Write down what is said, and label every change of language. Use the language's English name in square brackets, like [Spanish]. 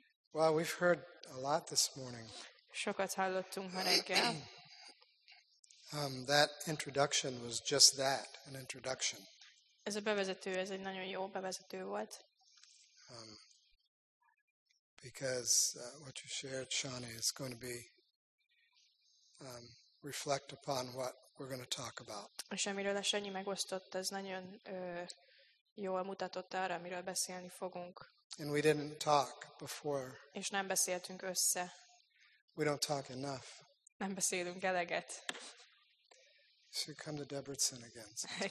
[English] Well, we've heard a lot this morning. [Hungarian] Sokat hallottunk ma reggel. [English] That introduction was just that, an introduction. [Hungarian] Ez a bevezető, ez egy nagyon jó bevezető volt. [English] Because what you shared, Shani, is going to be reflect upon what we're going to talk about. [Hungarian] És amiről a Shani megosztott, ez nagyon jól mutatott arra, amiről beszélni fogunk. [English] And we didn't talk before. [Hungarian] És nem beszéltünk össze. [English] We don't talk enough. [Hungarian] Nem beszélünk eleget. [English] Should come to Debrecen again.